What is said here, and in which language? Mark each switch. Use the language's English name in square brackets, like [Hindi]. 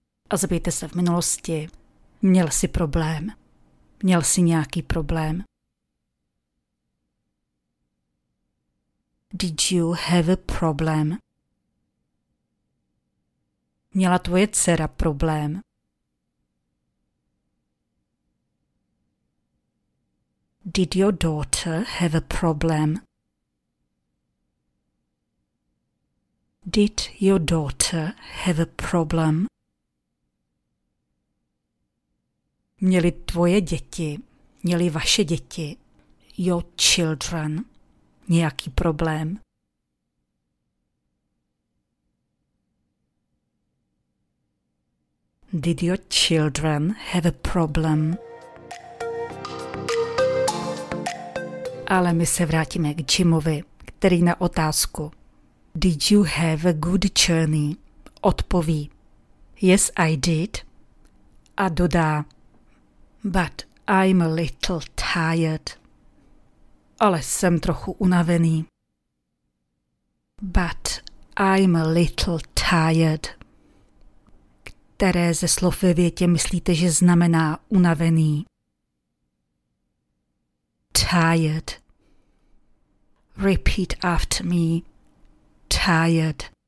[Czech] A zeptejte se v minulosti, měl jsi problém? Měl jsi nějaký problém? [English] Did you have a problem? [Czech] Měla tvoje dcera problém? [English] Did your daughter have a problem? Did your daughter have a problem? [Czech] Měli tvoje děti, měli vaše děti, [English] your children, [Czech] nějaký problém? [English] Did your children have a problem? [Czech] Ale my se vrátíme k Jimovi, který na otázku [English] Did you have a good journey? [Czech] Odpoví [English] Yes, I did. [Czech] A dodá [English] But I'm a little tired. [Czech] Ale jsem trochu unavený. [English] But I'm a little tired. [Czech] Které ze slov ve větě myslíte, že znamená unavený? [English] Tired. Repeat after me. Tired.